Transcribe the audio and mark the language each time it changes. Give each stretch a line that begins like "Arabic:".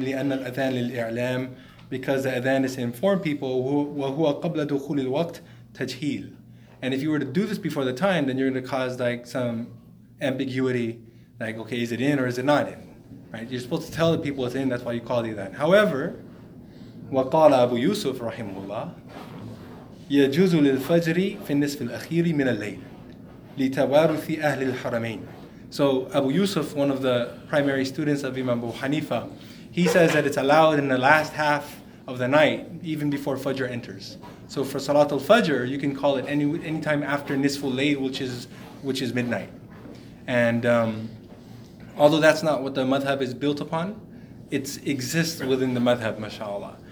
Arabic: لِأَنَّ الْأَذَانَ لِلْإِعْلَامِ,
English: because the adhan is to inform people.
Arabic: وَهُوَ قَبْلَ دُخُولِ الْوَقْتِ تَجْهِيلٌ,
English: and if you were to do this before the time, then you're going to cause like some ambiguity, like, okay, is it in or is it not in? Right? You're supposed to tell the people it's in, that's why you call the adhan. However,
Arabic: وقال أبو يوسف رحمه الله يجوز للفجر في النصف الأخير من الليل لتوارث أهل الحرمين.
English: So Abu Yusuf, one of the primary students of Imam Abu Hanifa, he says that it's allowed in the last half of the night, even before Fajr enters. So for Salat al-Fajr, you can call it any time after Nisf al-Layl, which is midnight. And although that's not what the madhab is built upon, it exists within the madhab, mashallah.